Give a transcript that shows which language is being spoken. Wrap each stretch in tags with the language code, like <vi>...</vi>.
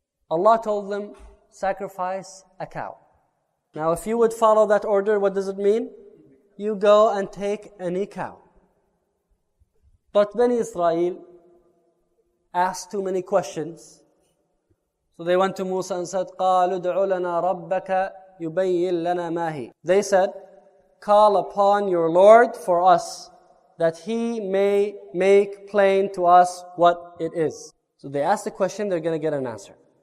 <en>Allah told them, sacrifice a cow. Now if you would follow that order, what does it mean? You go and take any cow. But Bani Israel asked too many questions. So they went to Musa and said,</en> <ar>قَالُوا دُعُوا لَنَا رَبَّكَ يُبَيِّن لَنَا مَا هِي.</ar> <en>They said, call upon your Lord for us, that He may make plain to us what it is. So they asked the question, they're going to get an answer.</en>